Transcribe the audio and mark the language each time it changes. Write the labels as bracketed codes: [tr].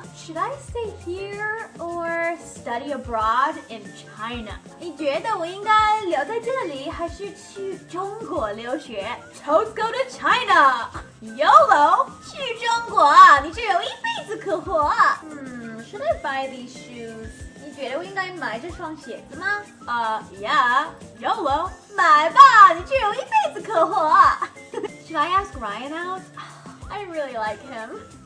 [en] Should I stay here or study abroad in China? [zh] 你觉得我应该留在这里还是去中国留学？ [en] Don't go to China! YOLO! [zh] 去中国，你就有一辈子可活。 [en] Should I buy these shoes? [zh] 你觉得我应该买这双鞋子吗？ [en] Yeah! YOLO! [zh] 买吧，你就有一辈子可活。 [en] Should I ask Ryan out? I really like him.